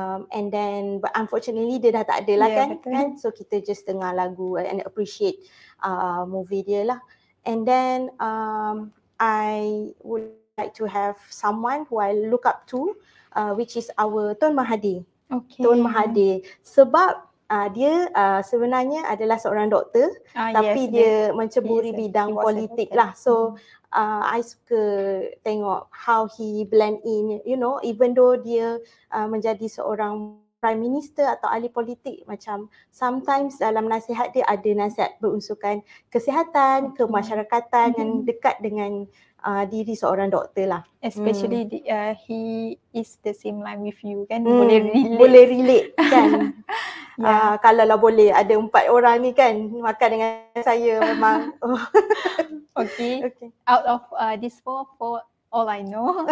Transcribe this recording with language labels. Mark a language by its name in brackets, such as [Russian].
[English] And then, but unfortunately, [Malay] dia dah tak ada lah yeah, kan? Kan? So, kita just dengar lagu [English] and appreciate movie [Malay] dia lah. [English] And then, I would like to have someone who I look up to, which is our Tun Mahathir. Okay. Tun Mahathir. [Malay] Sebab dia sebenarnya adalah seorang doktor tapi yes, dia menceburi bidang politik lah. [English] So I [Malay] suka tengok [English] how he blend in, you know, even though [Malay] dia menjadi seorang [English] prime minister [Malay] atau ahli politik, macam [English] sometimes [Malay] dalam nasihat dia ada nasihat berunsurkan kesihatan, okay. kemasyarakatan mm-hmm. yang dekat dengan diri seorang doktor lah. [English] Especially he is the same line with you [Malay] kan, boleh relate. Boleh relate kan. Yeah. Kalau lah boleh ada empat orang ni kan makan dengan saya memang. Okay. [English] Okay, out of this four, all I know.